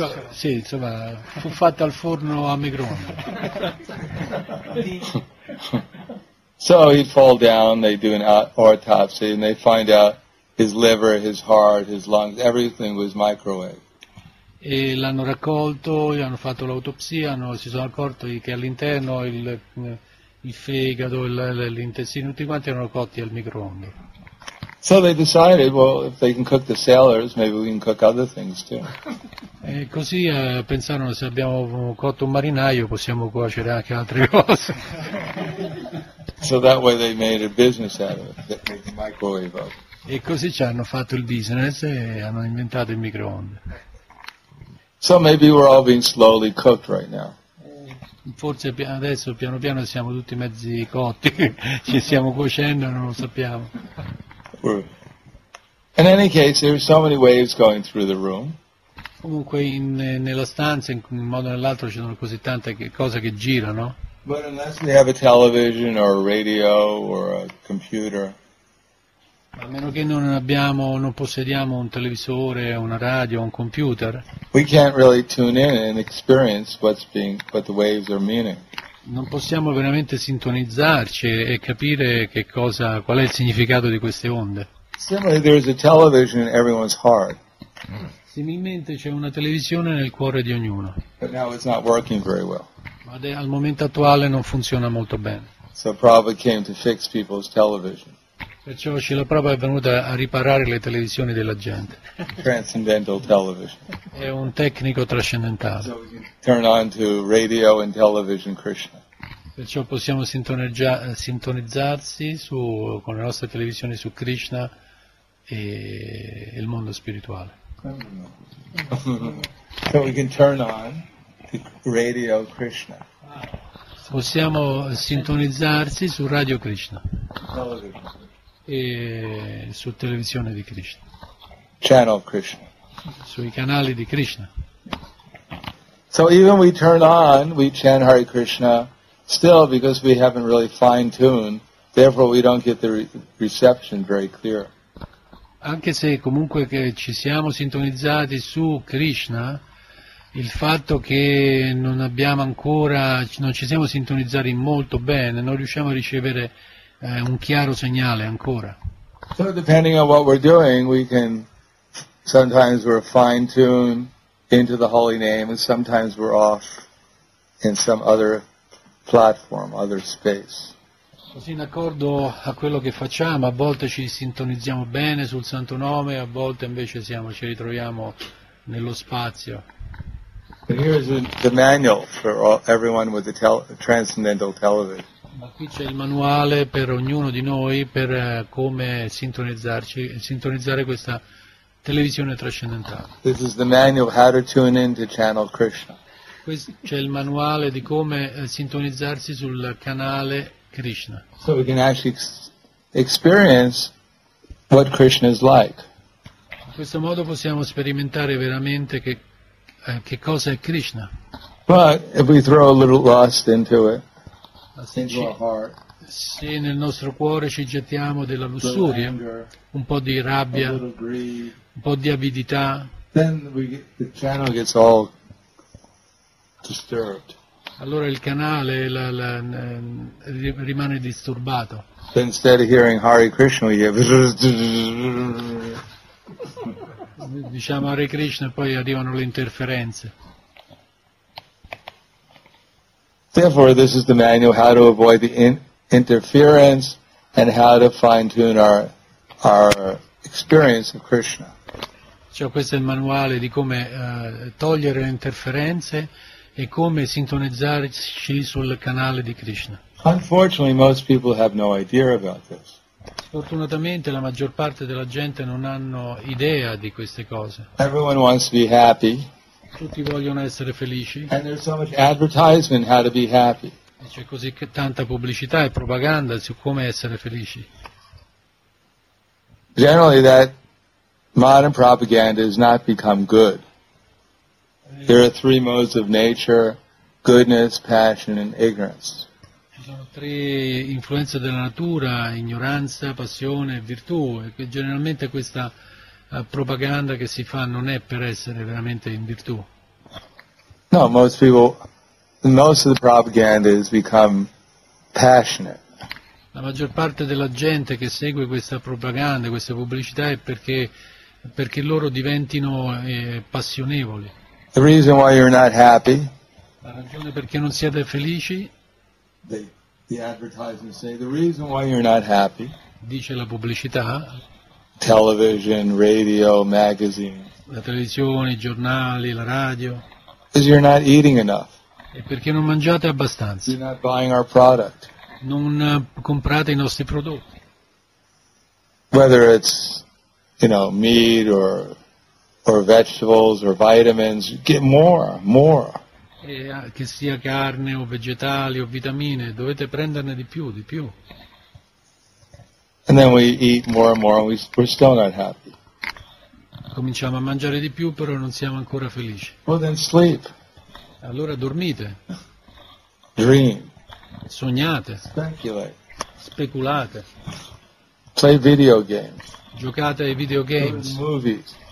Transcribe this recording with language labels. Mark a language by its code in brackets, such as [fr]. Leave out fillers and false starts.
[it] Sì, insomma, fu fatta al forno a microonde. [en] So he'd fall down, they do an autopsy, and they find out his liver, his heart, his lungs, everything was microwave. [it] E l'hanno raccolto, gli hanno fatto l'autopsia, si sono accorti che all'interno il fegato, l'intestino, tutti quanti erano cotti al microonde. [en] So they decided, well, if they can cook the sailors, maybe we can cook other things too. [it] E così pensarono, se abbiamo cotto un marinaio, possiamo cuocere anche altre cose. [en] So that way they made a business out of it, they made the microwave up. [it] E così ci hanno fatto il business e hanno inventato il microonde. [en] So maybe we're all being slowly cooked right now. [it] Forse adesso piano piano siamo tutti mezzi cotti, ci stiamo cuocendo, non lo sappiamo. [en] In any case, there are so many waves going through the room. [it] Comunque nella stanza, in un modo o nell'altro, ci sono così tante cose che girano. [en] But unless they have a television or a radio or a computer. [it] A meno che non possediamo un televisore, una radio, un computer, [en] we can't really tune in and experience what the waves are meaning. [it] Non possiamo veramente sintonizzarci e capire qual è il significato di queste onde. [en] Similarly, there is a television in everyone's heart. [it] Similmente c'è una televisione nel cuore di ognuno. [en] But now it's not working very well. [it] Ma al momento attuale non funziona molto bene. [en] So Prabhupada came to fix people's television. [it] Perciò Srila Prabhupada è venuta a riparare le televisioni della gente. [en] Transcendental television. [it] È un tecnico trascendentale. [en] So we can turn on to radio and television Krishna. [it] Perciò possiamo sintonizzarsi con le nostre televisioni su Krishna e il mondo spirituale. [en] So we can turn on to radio Krishna. [it] Possiamo sintonizzarsi su radio Krishna. E su televisione di Krishna. [en] Channel Krishna. [it] Sui canali di Krishna. [en] So even we turn on, we chant Hare Krishna, still because we haven't really fine-tuned, therefore we don't get the reception very clear. [it] Anche se comunque che ci siamo sintonizzati su Krishna, il fatto che non abbiamo ancora, non ci siamo sintonizzati molto bene, non riusciamo a ricevere un chiaro segnale ancora. [en] So depending on what we're doing, we can sometimes we're fine-tuned, into the holy name, and sometimes we're off in some other platform, other space. [it] Così in accordo a quello che facciamo, a volte ci sintonizziamo bene sul Santo Nome, a volte invece siamo, ci ritroviamo nello spazio. [en] And here is the manual for everyone with the transcendental television. [it] Ma qui c'è il manuale per ognuno di noi per come sintonizzare questa televisione trascendentale. [en] This is the manual how to tune in to channel Krishna. [it] Questo c'è il manuale di come sintonizzarsi sul canale Krishna. [en] So we can actually experience what Krishna is like. [it] In questo modo possiamo sperimentare veramente che cosa è Krishna. [en] But if we throw a little lust into it, [it] se nel nostro cuore ci gettiamo della lussuria, un po' di rabbia, un po' di avidità, allora il canale rimane disturbato. Diciamo Hare Krishna e poi arrivano le interferenze. [en] Therefore, this is the manual how to avoid the interference and how to fine-tune our experience of Krishna. [it] Cioè, questo è il manuale di come togliere le interferenze e come sintonizzarci sul canale di Krishna. [en] Unfortunately, most people have no idea about this. [it] Fortunatamente, la maggior parte della gente non hanno idea di queste cose. [en] Everyone wants to be happy. [it] Tutti vogliono essere felici. [en] And there's so much advertisement how to be happy. [it] E c'è così tanta pubblicità e propaganda su come essere felici. [en] Generally that modern propaganda has not become good. There are three modes of nature: goodness, passion and ignorance. [it] Ci sono tre influenze della natura: ignoranza, passione e virtù. E generalmente questa propaganda che si fa non è per essere veramente in virtù. [en] No, most of the propaganda has become passionate. [it] La maggior parte della gente che segue questa propaganda, questa pubblicità è perché loro diventino passionevoli. [en] The reason why you're not happy. [it] La ragione perché non siete felici. [en] The advertisements say the reason why you're not happy. [it] Dice la pubblicità. [en] Television, radio, magazine. [it] La televisione, i giornali, la radio. [en] Because you're not eating enough. [it] E perché non mangiate abbastanza. [en] You're not buying our product. [it] Non comprate i nostri prodotti. [en] Whether it's, you know, meat or vegetables or vitamins, get more. [it] E che sia carne o vegetali o vitamine, dovete prenderne di più. [en] And then we eat more and more, and we're still not happy. [it] Cominciamo a mangiare di più, però non siamo ancora felici. [en] Well, then sleep. [it] Allora dormite. [en] Dream. [it] Sognate. [en] Speculate. [it] Speculate. [en] Play video games. [it] Giocate ai video games. [en] Movies.